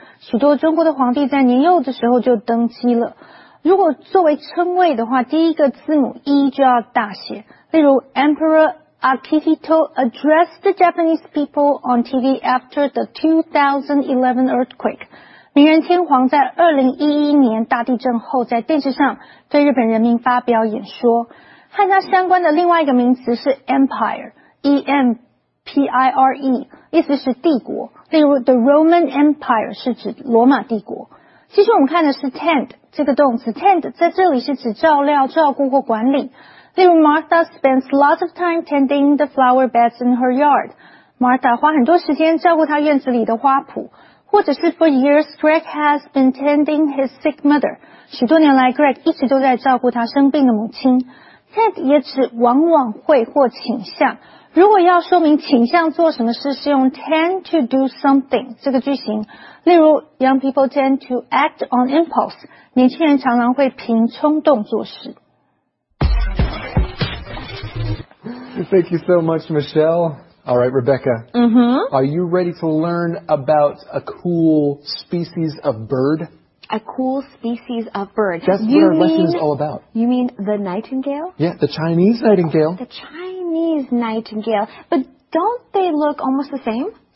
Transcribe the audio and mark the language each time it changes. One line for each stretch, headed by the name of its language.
Chinese: 许多中国的皇帝在年幼的时候就登基了。如果作为称谓的话，第一个字母 E 就要大写。例如
English: Emperor Akihito addressed the Japanese people on TV after the 2011 earthquake.
Chinese: 明仁天皇在2011年大地震后在电视上对日本人民发表演说。和它相关的另外一个名词是 Empire, E-M-P-I-R-E, 意思是帝国。例如
English: The Roman Empire
Chinese: 是指罗马帝国。其实我们看的是 tend, 这个动词 tend 在这里是指照料、照顾或管理。例如
English: Martha spends lots of time tending the flower beds in her yard.
Chinese: Martha 花很多时间照顾她院子里的花圃。或者是
English: for years, Greg has been tending his sick mother.
Chinese: 许多年来 Greg 一直都在照顾他生病的母亲。 Tend 也指往往会或倾向。如果要说明倾向做什么事，是用
English: tend to do something
Chinese: 这个句型。例如
English: young people tend to act on impulse.
Chinese: 年轻人常常会凭冲动做事。
English: Thank you so much, Michelle. All right, Rebecca,、are you ready to learn about a cool species of bird? A cool species of bird. That's what our lesson is all about. You mean the nightingale? Yeah, the Chinese nightingale. The Chinese nightingale. But don't they look almost the same?